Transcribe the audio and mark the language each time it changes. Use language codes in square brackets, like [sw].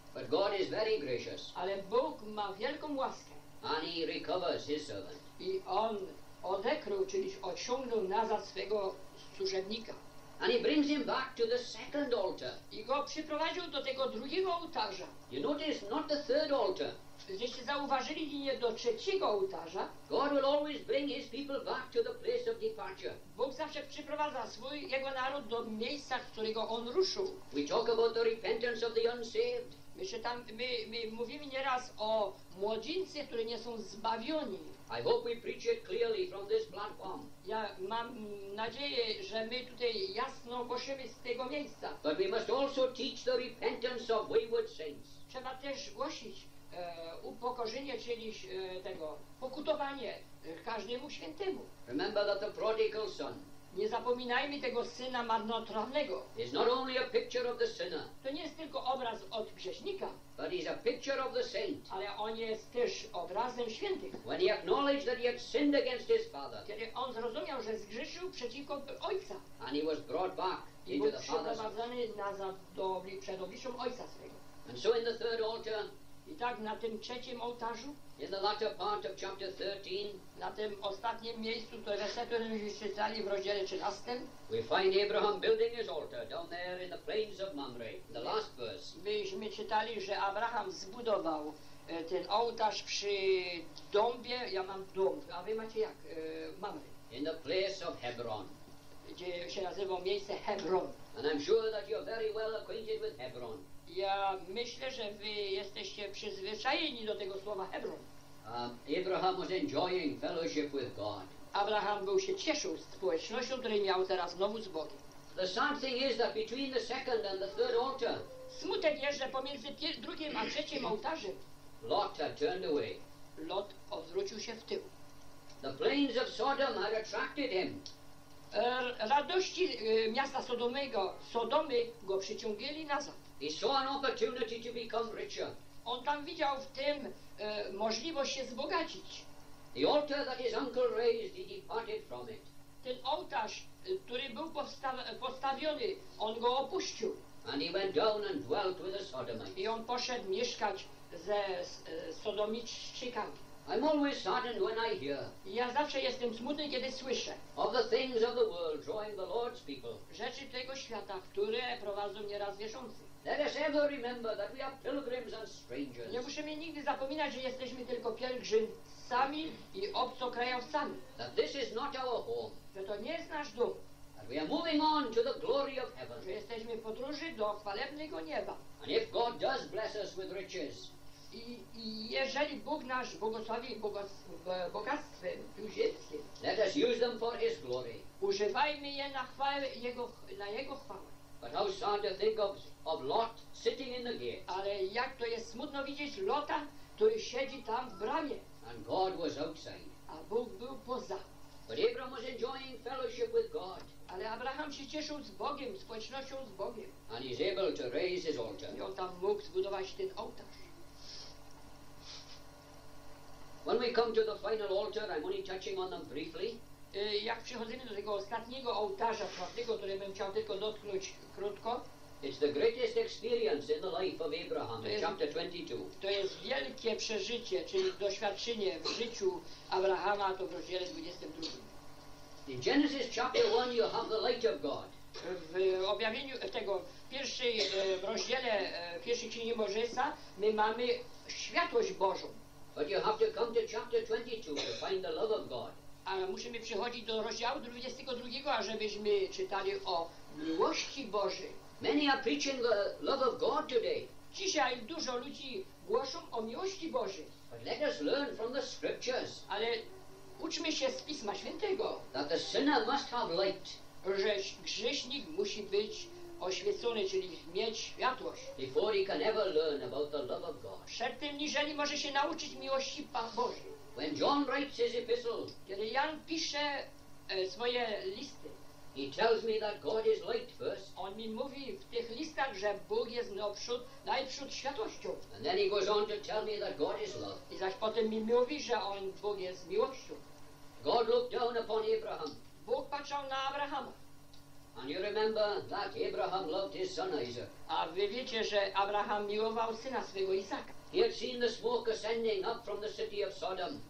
[en] But God is very gracious. [pl] Ale Bóg ma wielką łaskę. [en] And he recovers his servant. [pl] I on odekrył, czyli odciągnął nazad swego służebnika. [en] And he brings him back to the second altar. [pl] I go przyprowadził do tego drugiego ołtarza. [en] You notice not the third altar. [pl] Gdyście zauważyli, nie do trzeciego ołtarza. [en] God will always bring his people back to the place of departure. [pl] Bóg zawsze przyprowadza swój jego naród do miejsca, z którego on ruszył. [en] We talk about the repentance of the unsaved. [pl] My mówimy nieraz o młodzieńcy, którzy nie są zbawieni. [en] I hope we preach it clearly from this platform. [pl] Ja mam nadzieję, że my tutaj jasno głosimy z tego miejsca. [en] But we must also teach the repentance of wayward saints. [pl] Trzeba też głosić upokorzenie, czyli tego pokutowanie każdemu świętemu. [en] Remember that the prodigal son. [pl] Nie zapominajmy tego syna marnotrawnego. [en] It's not only a picture of the sinner. [pl] To nie jest tylko obraz od grzesznika. [en] But he's a picture of the saint. [pl] Ale on jest też obrazem świętych. [en] When he acknowledged that he had sinned against his father. [pl] Kiedy on zrozumiał, że zgrzeszył przeciwko ojca. [en] And he was brought back into the father's. [pl] I był przyprowadzony nazad do przed obliczem ojca swego. [en] And so in the third altar. [pl] I tak na tym trzecim ołtarzu. [en] In the latter part of chapter 13. [pl] Na tym ostatnim miejscu, to wersetu, który myśmy czytali w rozdziale 13. [en] We find Abraham building his altar down there in the plains of Mamre. The last verse. [pl] Myśmy czytali, że Abraham zbudował ten ołtarz przy dąbie. Ja mam dąb, a wy macie jak? Mamre. [en] In the place of Hebron. [pl] Gdzie się nazywa miejsce Hebron. [en] And I'm sure that you're very well acquainted with Hebron. [pl] Ja myślę, że wy jesteście przyzwyczajeni do tego słowa Hebron. [en] Abraham was enjoying fellowship with God. [pl] Abraham był się cieszył z społecznością, której miał teraz znowu z Bogiem. [en] The sad thing is that between the second and the third altar. [pl] Smutek jest, że pomiędzy drugim a trzecim ołtarzem. [en] Lot had turned away. [pl] Lot odwrócił się w tył. [en] The plains of Sodom had attracted him. [pl] Radości miasta Sodomego, Sodomy go przyciągnęli nazad. [en] He saw an opportunity to become richer. [pl] On tam widział w tym możliwość się zbogacić. [en] The altar that his uncle raised, he departed from it. [pl] Ten ołtarz, który był postawiony, on go opuścił. [en] And he went down and dwelt with the Sodomites. [pl] I on poszedł mieszkać ze Sodomiczczykami. [en] I'm always saddened when I hear. [pl] Ja zawsze jestem smutny, kiedy słyszę. [en] Of the things of the world drawing the Lord's people. [pl] Rzeczy tego świata, które prowadzą nieraz wierzący. [en] Let us ever remember that we are pilgrims and strangers. [pl] Nie musimy nigdy zapominać, że jesteśmy tylko pielgrzymcami i obcokrajowcami. [en] That this is not our home. [pl] Że to nie jest nasz dom. [en] That we are moving on to the glory of heaven. [pl] Że jesteśmy w podróży do chwalebnego nieba. [en] And if God does bless us with riches. [pl] I jeżeli Bóg nasz błogosławi bogactwem ziemskim. [en] Let us use them for his glory. [pl] Używajmy je na jego chwałę. [en] But how sad to think of Lot sitting in the gate. [pl] Ale jak to jest smutno widzieć Lota, który siedzi tam w bramie. [en] And God was outside. [pl] A Bóg był poza. [en] But Abraham was enjoying fellowship with God. [pl] Ale Abraham się cieszył z Bogiem, społecznością z Bogiem. [en] And he's able to raise his altar. [pl] I on tam mógł zbudować ten ołtarz. [en] When we come to the final altar, I'm only touching on them briefly. [pl] Jak przechodzimy do tego ostatniego ołtarza, prawdziwego, który bym chciał tylko dotknąć krótko. [en] It's the greatest experience in the life of Abraham, to chapter 22. [pl] To jest wielkie przeżycie, czyli doświadczenie w życiu Abrahama, to w rozdziale 22. [en] In Genesis chapter 1 you have the light of God. [pl] W objawieniu tego pierwszej w rozdziale pierwszej księgi Mojżesza my mamy światłość Bożą. [en] But you have to come to chapter 22 to find the love of God. [pl] A musimy przychodzić do rozdziału 22, ażebyśmy czytali o miłości Bożej. [en] Many are preaching the love of God today. [pl] Dzisiaj dużo ludzi głoszą o miłości Bożej. [en] But let us learn from the scriptures. [pl] Ale uczmy się z Pisma Świętego. [en] That the sinner must have light. [pl] Że grzesznik musi być oświecony, czyli mieć światłość. [en] Before he can ever learn about the love of God. [pl] Przed tym, niżeli może się nauczyć miłości Pana Bożej. [en] When John writes his epistle, [pl] kiedy Jan pisze swoje listy, [en] he tells me that God is light first. [pl] On mi mówi w tych listach, że Bóg jest najprzód światłością. [en] And then he goes on to tell me that God is love. [pl] I zaś potem mi mówi, że on Bóg jest miłością. [en] God looked down upon Abraham. [pl] Bóg patrzał na Abrahama. [en] And you remember that Abraham loved his son Isaac. [pl] A wy wiecie, że Abraham miłował syna swego Izaka. [en] He had seen the smoke ascending up from the city of Sodom.